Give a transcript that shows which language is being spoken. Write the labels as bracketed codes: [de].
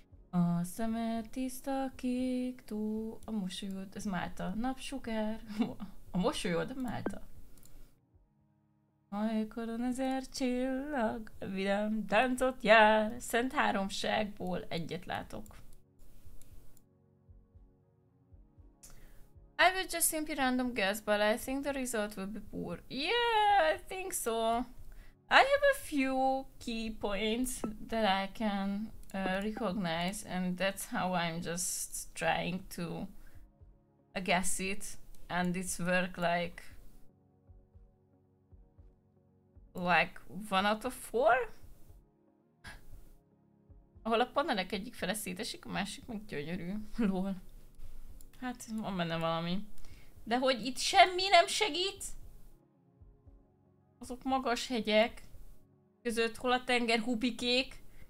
[hu] A szeme tiszta kék tó, a mosolyod, ez Málta, napsugár. A mosolyod, Málta. Ajkoron ezer csillag, vidám táncot jár, Szent Háromságból egyet látok. [en] I will just simply random guess, but I think the result will be poor. Yeah, I think so. I have a few key points that I can recognize, and that's how I'm just trying to guess it, and it's work like one out of four? [hu] Ahol a panelek egyik fele szétesik, a másik meg gyönyörű. Lol. Hát van benne valami. De hogy itt semmi nem segít? Azok magas hegyek között, hol a tenger hupikék?